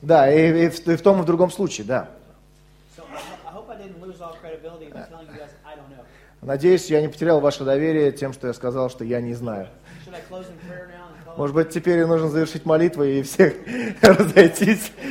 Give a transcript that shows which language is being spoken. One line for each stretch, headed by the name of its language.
Russian: Да, и в том и в другом случае, да.
English: So I hope I didn't lose all credibility by telling you guys I don't know.
Russian: Надеюсь, я не потерял ваше доверие тем, что я сказал, что я не знаю.
English: Should I close in prayer now?
Russian: Может быть, теперь нужно завершить молитву и всех разойтись.